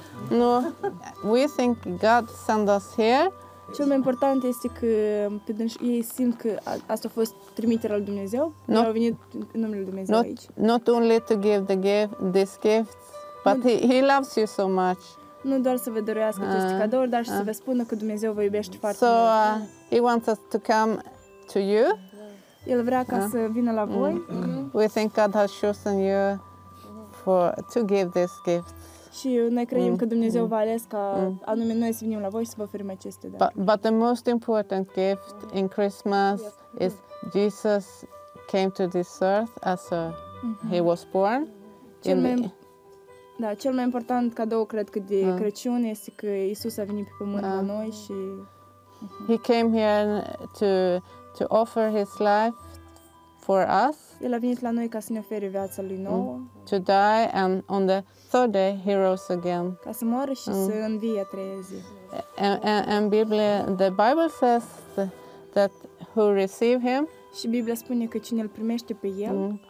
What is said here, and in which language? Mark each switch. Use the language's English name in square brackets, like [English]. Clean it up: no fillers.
[English] Ну, we think God send us here. [Romanian] Cel mai important este că ei simt că asta a fost trimiterea lui Dumnezeu. Noi au venit în numele lui Dumnezeu aici. [English] Not only to give the gift, this gift, but he loves you so much. [Romanian] Nu doar să vă dorească aceste cadouri, dar și să vă spună că Dumnezeu vă iubește foarte mult. [English] So, he wants us to come to you. [Romanian] El vrea ca să vină la voi. [English] We think God has chosen you for to give this gift. [Romanian] Și noi credem că Dumnezeu v-a ales ca anume noi să venim la voi să vă oferim aceste daruri. [English] But the most important gift in Christmas is Jesus came to this earth as a, he was born. [Romanian] Cel mai important cadou cred că de Crăciun este că Iisus a venit pe pământ la noi și [English] he came here to offer his life for us. [Romanian] El a venit la noi ca să ne ofere viața lui nouă. [English] To die and on the third day he rose again. [Romanian] Ca să moară și să învie a treia zi. [English] And Biblia, the Bible says that who receive him, [Romanian] și Biblia spune că cine îl primește pe el,